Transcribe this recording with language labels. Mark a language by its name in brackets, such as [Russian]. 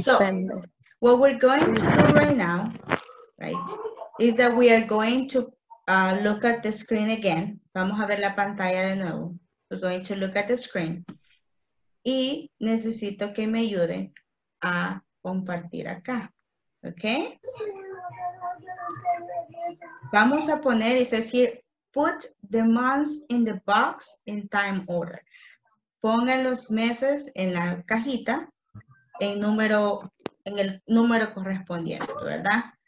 [English] So, what we're going to do right now, right, is that we are going to look at the screen again. [Spanish] Vamos a ver la pantalla de nuevo. [English] We're going to look at the screen. [Spanish] Y necesito que me ayuden a compartir acá. Okay? Vamos a poner, [English] it says here, put the months in the box in time order. [Spanish] Pongan los meses en la cajita en número, en el número correspondiente, ¿verdad?